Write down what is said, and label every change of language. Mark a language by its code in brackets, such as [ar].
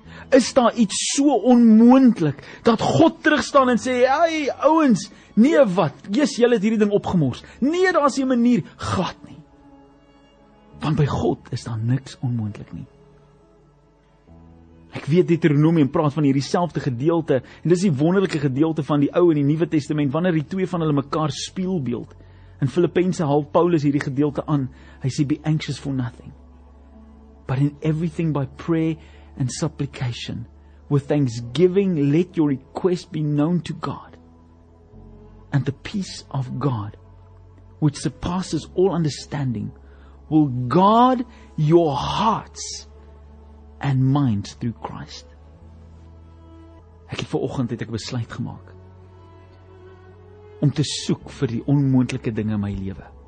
[af] Is daar iets so onmoontlik dat God terugstaan en sê, hey, ouens, nee wat, jy's julle het hierdie ding opgemors. Nee, daar is 'n manier, glad nie. Want by God is daar niks onmoontlik nie. Ek weet Deuteronomium praat van hierdie selfde gedeelte, en dis die wonderlike gedeelte van die ou en die nuwe testament, wanneer die twee van hulle mekaar spieelbeeld. In Filippense haal Paulus hierdie gedeelte aan, hy sê, [en] be anxious for nothing, but in everything by prayer and supplication, with thanksgiving, let your request be known to God, and the peace of God, which surpasses all understanding, will guard your hearts and minds through Christ. [af] Ek het vanoggend het ek besluit gemaak om te soek vir die onmoontlike dinge in my lewe.